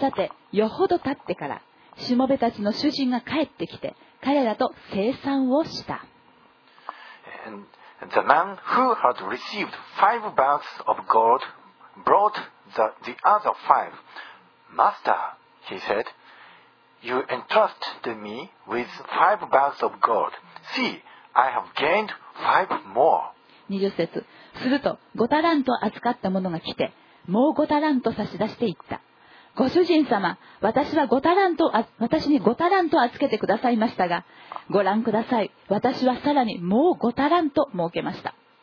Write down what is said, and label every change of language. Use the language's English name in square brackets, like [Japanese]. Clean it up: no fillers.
[Japanese] さて、よほど経ってから、しもべたちの主人が帰ってきて、彼らと清算をした。 [English] And the man who had received five bags of gold brought the other five. Master, he said, you entrusted me with five bags of gold. See. I have gained five more. [Japanese] 20節。すると5タラント扱った者が来て、もう5タラント差し出していった。ご主人様、私に5タラント預けてくださいましたが、ご覧ください。私はさらにもう5タラント儲けました。